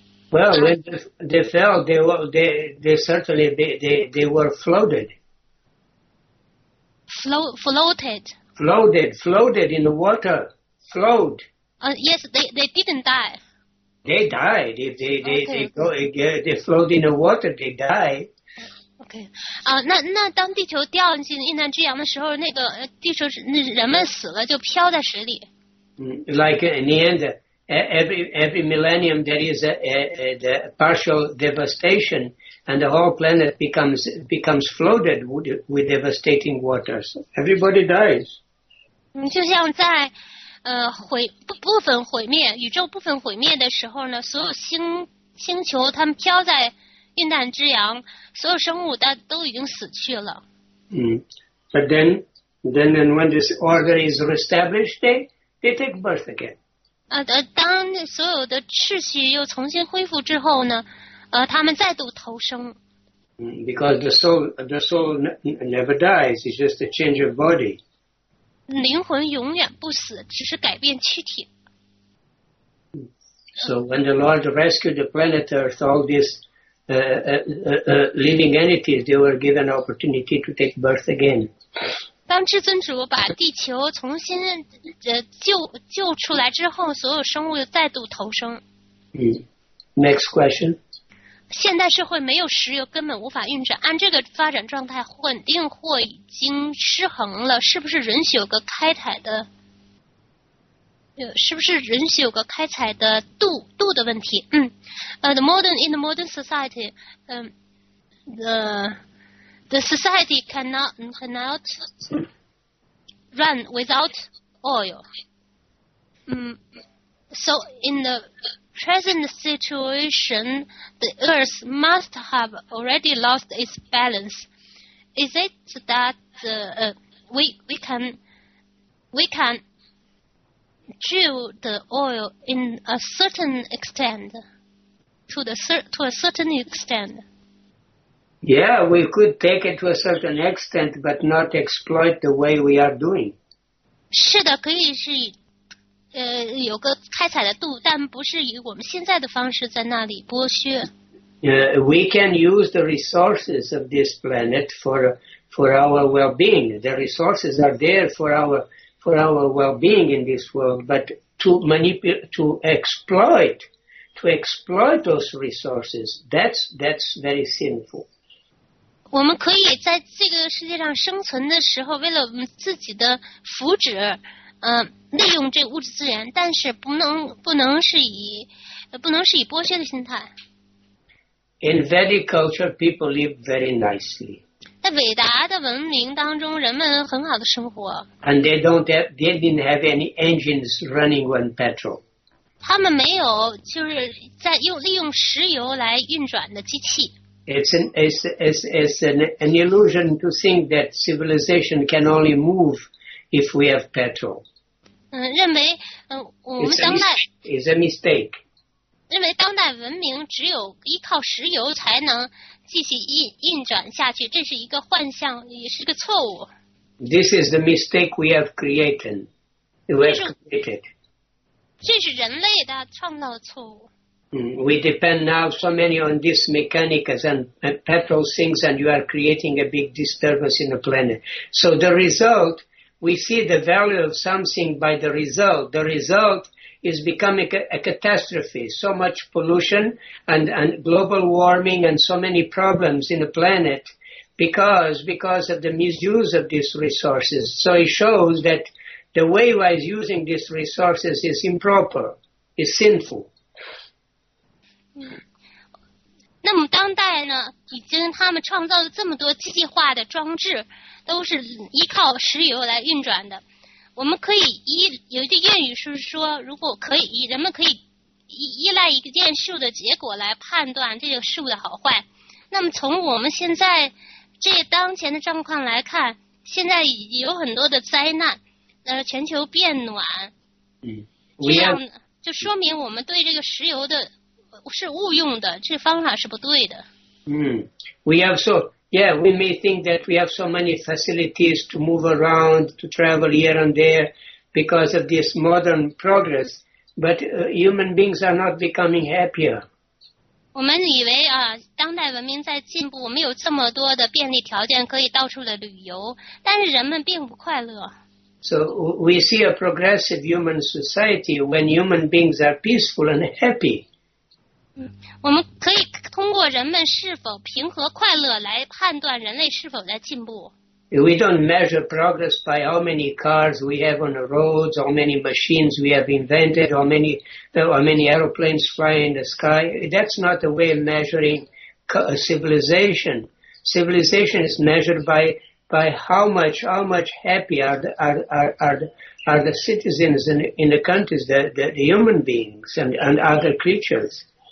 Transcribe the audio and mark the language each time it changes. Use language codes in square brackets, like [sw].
[en] Well, when they fell, they were floated. Floated in the water. Float. Yes, they didn't die. They died. If they float in the water, they die. Okay. [zh] 那当地球掉进印南之洋的时候，那个地球人们死了，就飘在水里。 [en] Like in the end, every millennium there is a partial devastation. And the whole planet becomes flooded with devastating waters. Everybody dies. [zh] 就像在部分毁灭宇宙部分毁灭的时候呢，所有星球它们飘在印旦之洋，所有生物它都已经死去了。 [en] But then when this order is reestablished, they take birth again. [zh] 当所有的秩序又重新恢复之后呢？他们再度投生。 [en] Because the soul never dies, it's just a change of body. [zh] 灵魂永远不死，只是改变躯体。 [en] So when the Lord rescued the planet Earth, all these living entities, they were given opportunity to take birth again. [zh] 当至尊主把地球重新救出来之后，所有生物又再度投生。 [en] Next question. [zh] 现代社会没有石油，根本无法运转。按这个发展状态，稳定或已经失衡了。是不是允许有个开采的？是不是允许有个开采的度的问题？ [en] The modern society, the society cannot run without oil. So in the present situation, the Earth must have already lost its balance. Is it that we can drill the oil in a certain extent, to a certain extent? Yeah, we could take it to a certain extent, but not exploit the way we are doing. [zh] 是的，可以是有个开采的度，但不是以我们现在的方式在那里剥削。 [en] We can use the resources of this planet for our well-being. The resources are there for our well-being in this world, but to exploit those resources, that's very sinful. [zh] 我们可以在这个世界上生存的时候，为了我们自己的福祉。利用这物质资源，但是不能是以剥削的心态。 [en] In Vedic culture, people live very nicely. [zh] 在伟达的文明当中，人们很好的生活。 [en] And they didn't have any engines running on petrol. [zh] 他们没有就是在利用石油来运转的机器。 [en] It's an illusion to think that civilization can only move if we have petrol. [zh] 认为我们当代 [en] is a mistake. [zh] 认为当代文明只有依靠石油才能继续运转下去，这是一个幻象，也是个错误。 [en] This is the mistake we have created. This is [zh] 人类的创造的错误。 [en] We depend now so many on these mechanicals and petrol things, and you are creating a big disturbance in the planet. So the result. We see the value of something by the result. The result is becoming a catastrophe. So much pollution and global warming and so many problems in the planet. because of the misuse of these resources. So it shows that the way he was using these resources is improper, is sinful. [zh] 那么当代呢，已经他们创造了这么多机械化的装置，都是依靠石油来运转的。我们可以依有一句谚语是说，如果可以，人们可以依赖一件事物的结果来判断这个事物的好坏。那么从我们现在这当前的状况来看，现在有很多的灾难，全球变暖，嗯，这样就说明我们对这个石油的是误用的，这方法是不对的。 [en] 嗯 ，we have so yeah, we may think that we have so many facilities to move around, to travel here and there, because of this modern progress. But human beings are not becoming happier. [zh] 我们以为啊，当代文明在进步，我们有这么多的便利条件，可以到处的旅游，但是人们并不快乐。 [en] So we see a progressive human society when human beings are peaceful and happy. [zh] 我们可以通过人们是否平和快乐来判断人类是否在进步。 [en] We don't measure progress by how many cars we have on the roads, how many machines we have invented, how many aeroplanes fly in the sky. That's not the way of measuring civilization. Civilization is measured by how much happy are the citizens in the countries, the human beings and other creatures.